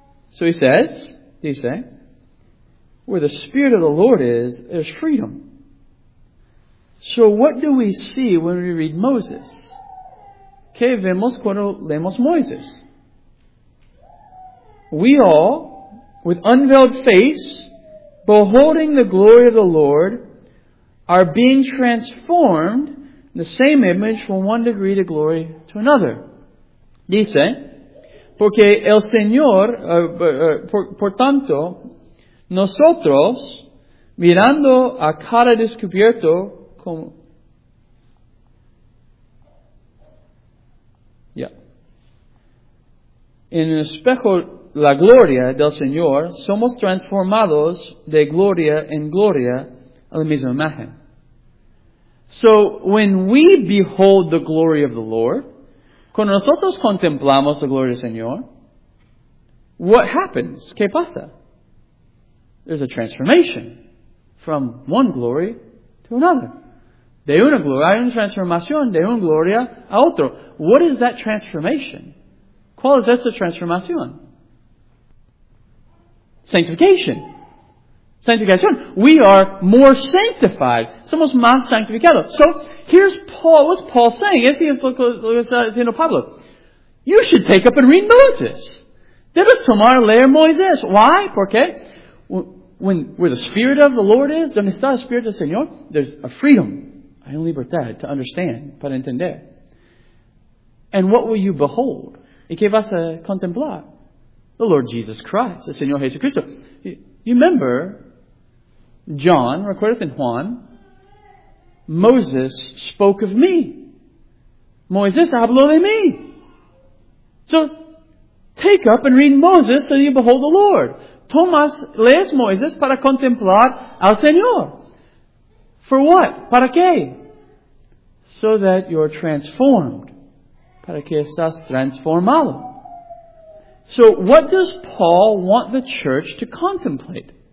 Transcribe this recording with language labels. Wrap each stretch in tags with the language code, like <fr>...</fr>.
<en>So he says, where the Spirit of the Lord is, there's freedom. So what do we see when we read Moses?</en> <es>¿Qué vemos cuando leemos Moisés?</es> <en>We all, with unveiled face, beholding the glory of the Lord, are being transformed in the same image from one degree of glory to another.</en> <es>Dice, porque el Señor, por tanto, nosotros, mirando a cara descubierto, como, en el espejo la gloria del Señor, somos transformados de gloria en gloria a la misma imagen.</es> <en>So, when we behold the glory of the Lord,</en> <es>cuando nosotros contemplamos la gloria del Señor,</es> <en>what happens?</en> <es>¿Qué pasa?</es> <en>There's a transformation from one glory to another.</en> <es>De una gloria, hay una transformación de una gloria a otro.</es> <en>What is that transformation?</en> <es>¿Cuál es esa transformación?</es> <en>Sanctification. Sanctification. We are more sanctified.</en> <es>Somos más sanctificados.</es> <en>So, here's Paul. What's Paul saying?</en> <es>Este es lo que está diciendo Pablo.</es> <en>You should take up and read Moses.</en> <es>Debes tomar leer Moisés.</es> <en>Why?</en> <es>¿Por qué?</es> <en>When where the Spirit of the Lord is,</en> <es>donde está el Espíritu del Señor,</es> <en>there's a freedom.</en> <es>Hay una libertad</es> <en>to understand,</en> <es>para entender.</es> <en>And what will you behold?</en> <es>¿Y qué vas a contemplar?</es> <en>The Lord Jesus Christ,</en> <es>el Señor Jesucristo.</es> <en>You remember John,</en> <es>recuerdas en Juan,</es> <en>Moses spoke of me.</en> <es>Moisés habló de mí.</es> <en>So, take up and read Moses so you behold the Lord.</en> <es>Tomas, lees Moisés para contemplar al Señor.</es> <en>For what?</en> <es>¿Para qué?</es> <en>So that you're transformed.</en> <es>Para que estás transformado.</es> <en>So, what does Paul want the church to contemplate?</en>